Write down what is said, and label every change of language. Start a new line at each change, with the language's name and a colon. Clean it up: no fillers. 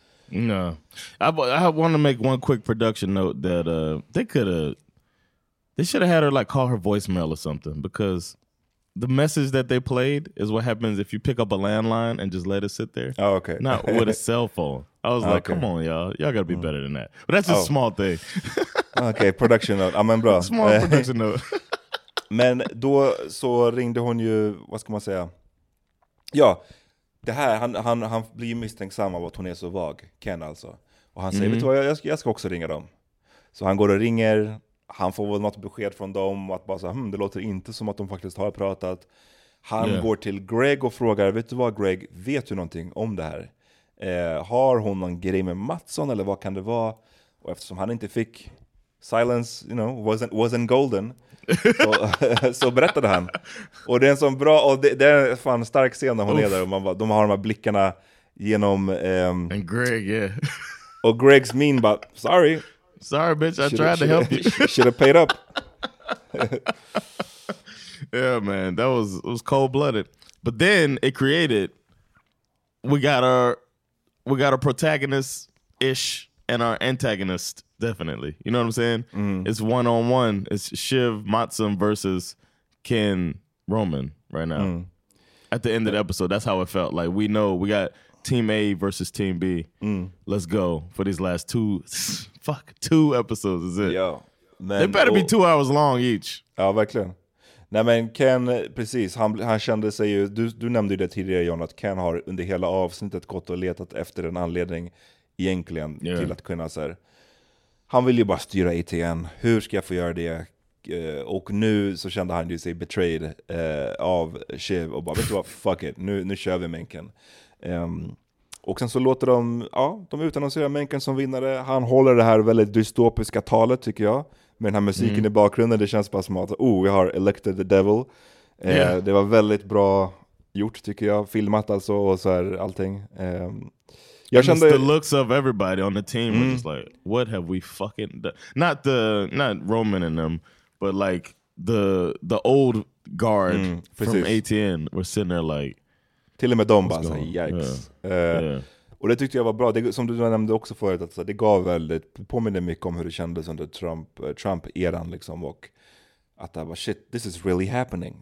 English: No, I want to make one quick production note that they should have had her like call her voicemail or something, because the message that they played is what happens if you pick up a landline and just let it sit there. Oh, okay. Not with a cell phone. I was like, come on, y'all gotta be better than that. But that's a small thing. Okay, production note. I'm in, bro. Small production note.
Swedish: Men då så ringde hon ju, vad ska man säga? Ja, det här, han blir misstänksam av att hon är så vag, Ken alltså. Och han säger, vet du vad, jag ska också ringa dem. Så han går och ringer, han får väl något besked från dem och att bara säga, det låter inte som att de faktiskt har pratat. Han går till Greg och frågar, vet du vad Greg, vet du någonting om det här? Har hon någon grej med Mattsson eller vad kan det vara? Och eftersom han inte fick
English: silence, you know, wasn't golden,
Swedish: så berättade han. Och det är en sån bra, och det är en fan stark scen när hon är där och man bara, de har de här blickarna genom...
English: And Greg, yeah.
Swedish: Och Greg's mean bara, sorry.
English: Sorry bitch, I tried to help you. Should have paid up. Yeah man, it was cold-blooded. But then it created, we got our protagonist-ish and our antagonist, definitely. You know what I'm saying? It's one-on-one. It's Shiv Mattsson versus Ken Roman right now. At the end of the episode, that's how it felt. Like, we know we got Team A versus Team B. Let's go for these last two, two episodes, is it? Yo, man, they better be 2 hours long each.
Swedish: Ja, verkligen. Nej men Ken, precis, han kände sig ju, du nämnde ju det tidigare John, att Ken har under hela avsnittet gått och letat efter en anledning egentligen till att kunna så här. Han vill ju bara styra ITN, hur ska jag få göra det? Och nu så kände han ju sig betrayed av Shiv och bara, vet du vad, fuck it, nu kör vi Menken. Och sen så låter de utannonserar Menken som vinnare. Han håller det här väldigt dystopiska talet tycker jag. Med den här musiken i bakgrunden, det känns bara som att vi har
English: elected the devil.
Swedish: Det var väldigt bra gjort tycker jag, filmat alltså och så här allting. Jag kände
English: the looks of everybody on the team were just like, what have we fucking done? Not Roman and them, but like the old guard from ATN were sitting there like,
Swedish: till och med dem bara såhär, och det tyckte jag var bra. Det, som du nämnde också förut, att det gav väldigt, påminner mycket om hur det kändes under Trump-eran liksom, och att det var,
English: shit, this is really happening.